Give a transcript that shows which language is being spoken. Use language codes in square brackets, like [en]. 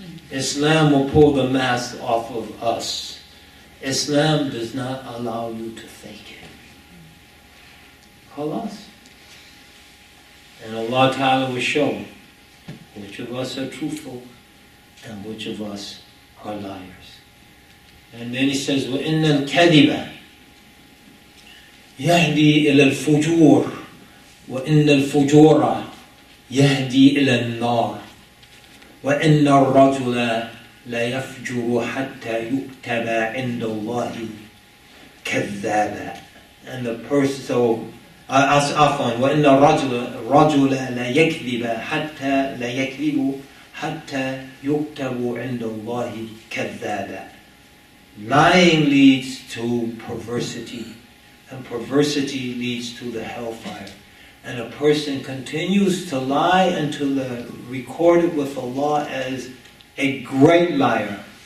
[en] Islam will pull the mask off of us. Islam does not allow you to fake it. Khalas. And Allah Ta'ala will show which of us are truthful and which of us are liars. And then He says, [ar] وَإِنَّ الْكَذِبَ يَهْدِي إِلَى الْفُجُورِ وَإِنَّ الْفُجُورَ يَهْدِي إِلَى النَّارِ وَإِنَّ الرَّجُلَ لَيَفْجُرُ حَتَّى يُكْتَبَ عِنْدَ اللَّهِ كَذَّابًا [en] And the person, so, ask Afan, [ar] وَإِنَّ الرَّجُلَ لَيَكْذِبَ حَتَّى لَيَكْذِبُ حَتَّى يُكْتَبُ عِنْدَ اللَّهِ كَذَّابًا [en] Lying leads to perversity, and perversity leads to the hellfire. And a person continues to lie until they're recorded with Allah as a great liar.